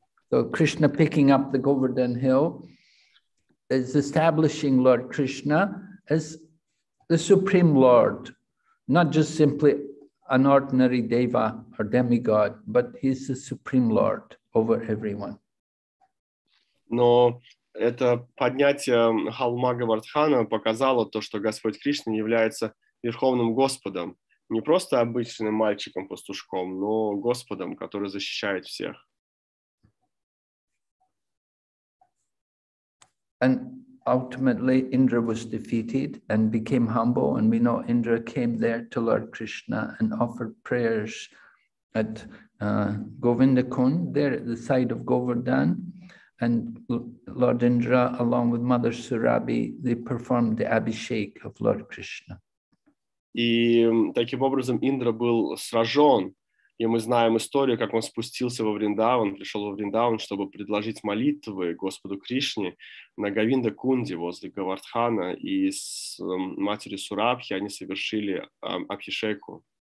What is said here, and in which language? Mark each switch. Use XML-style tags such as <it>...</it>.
<en>So Krishna picking up the Govardhan hill is establishing Lord Krishna as the Supreme Lord, not just simply an ordinary Deva or demigod, but he's the Supreme Lord over everyone.</en> <ru>Но это поднятие холма Говардхана показало то, что Господь Кришна является Верховным Господом, не просто обычным мальчиком-пастушком, но Господом, который защищает всех.</ru> <en>And ultimately, Indra was defeated and became humble. And we know Indra came there to Lord Krishna and offered prayers at Govindakund, there at the side of Govardhan. And Lord Indra, along with Mother Surabhi, they performed the Abhishek of Lord Krishna.</en> <ru>И таким образом Индра был сражен. И мы знаем историю, как он спустился во Вриндаван, пришел во Вриндаван, чтобы предложить молитвы Господу Кришне на Говинда Кунде возле Говардхана, и с матерью Сурабхи они совершили Абхишеку.</ru>